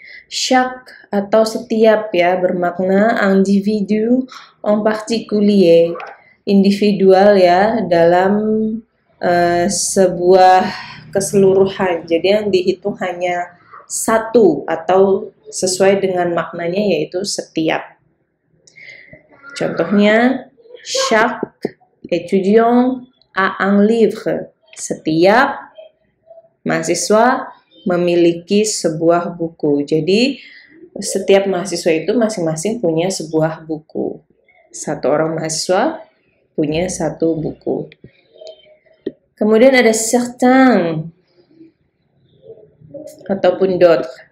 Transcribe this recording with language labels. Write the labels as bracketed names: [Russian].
[Indonesian] Chaque atau setiap ya bermakna individu [French] en particulier, [Indonesian] individual ya dalam sebuah keseluruhan. Jadi yang dihitung hanya satu atau sesuai dengan maknanya yaitu setiap. Contohnya [French] chaque étudiant a un livre. [Indonesian] Setiap mahasiswa memiliki sebuah buku. Jadi setiap mahasiswa itu masing-masing punya sebuah buku. Satu orang mahasiswa punya satu buku. Kemudian ada certain ataupun d'autres.